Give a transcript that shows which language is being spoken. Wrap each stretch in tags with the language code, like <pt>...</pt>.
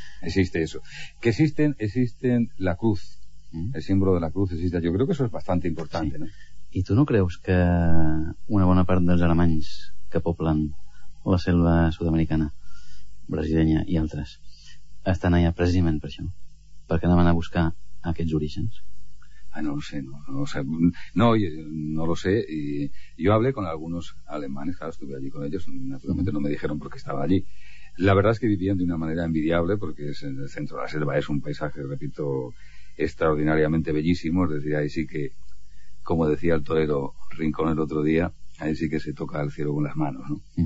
<es>Existe eso, que existen la cruz. El símbolo de la cruz existe. Yo creo que eso es bastante importante, sí. ¿No?</es> <ca>I tu no creus que una bona part dels alemanys que poblen la selva sud-americana, brasileña i altres, estan allà precisament per això, perquè anaven a buscar aquests orígens?</ca> <es>Ah, no lo sé, no lo sé. Y yo hablé con algunos alemanes, claro, estuve allí con ellos, naturalmente no me dijeron por qué estaba allí. La verdad es que vivían de una manera envidiable, porque es en el centro de la selva, es un paisaje, repito, extraordinariamente bellísimo. Es decir, ahí sí que, como decía el torero Rincón el otro día, ahí sí que se toca el cielo con las manos, ¿no?</es>